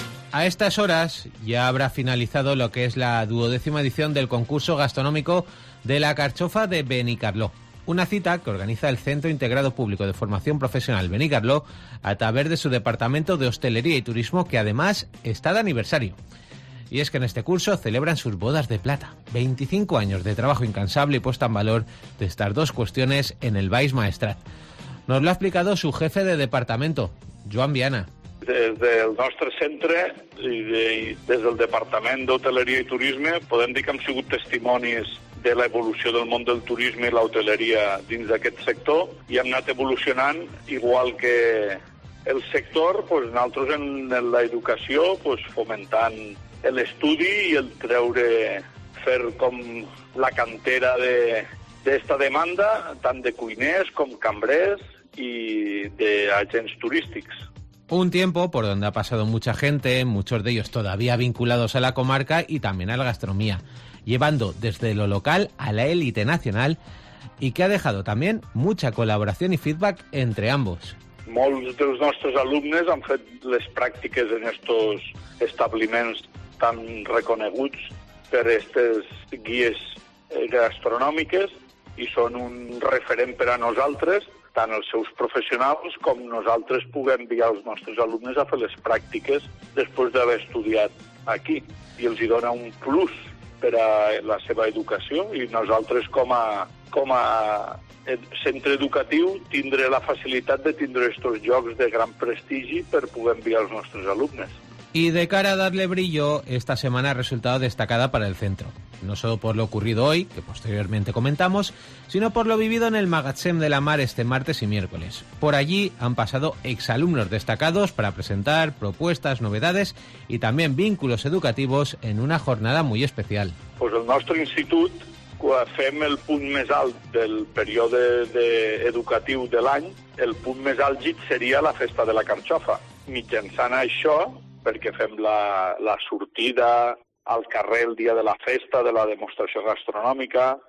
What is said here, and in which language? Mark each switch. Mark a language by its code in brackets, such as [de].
[es] A estas horas ya habrá finalizado lo que es la duodécima edición del concurso gastronómico de la Carchofa de Benicarló, una cita que organiza el Centro Integrado Público de Formación Profesional Benicarló a través de su Departamento de Hostelería y Turismo, que además está de aniversario. Y es que en este curso celebran sus bodas de plata, 25 años de trabajo incansable y puesta en valor de estas dos cuestiones en el Baix Maestrat. Nos lo ha explicado su jefe de departamento, Joan Viana. [ca] Des del nostre centre i des del Departament d'Hoteleria i Turisme podem dir que hem sigut testimonis de l'evolució del món del turisme i l'hoteleria dins d'aquest sector i hem anat evolucionant igual que el sector, pues, nosaltres en l'educació, pues, fomentant l'estudi i el treure, fer com la cantera d'esta demanda, tant de cuiners com cambrers i d'agents turístics. [es] Un tiempo por donde ha pasado mucha gente, muchos de ellos todavía vinculados a la comarca y también a la gastronomía, llevando desde lo local a la élite nacional y que ha dejado también mucha colaboración y feedback entre ambos. [ca] Molts dels nostres alumnes han fet les pràctiques en estos establiments tan reconeguts per aquestes guies gastronòmiques i són un referent per a nosaltres, tant els seus professionals com nosaltres puguem enviar els nostres alumnes a fer les pràctiques després d'haver estudiat aquí. I els hi dona un plus per a la seva educació i nosaltres com a centre educatiu tindre la facilitat de tindre estos llocs de gran prestigi per poder enviar els nostres alumnes. I de cara a [es] darle brillo, [ca] esta setmana ha resultat destacada per al centre. [es] No solo por lo ocurrido hoy, que posteriormente comentamos, sino por lo vivido en el Magatzem de la Mar este martes y miércoles. Por allí han pasado exalumnos destacados para presentar propuestas, novedades y también vínculos educativos en una jornada muy especial. [ca] Pues el nostre institut, quan fem el punt més alt del període educatiu de l'any, el punt més àlgid seria la Festa de la Carxofa. Mitjançant això, perquè fem la sortida al carrer el dia de la festa, de la demostració gastronòmica.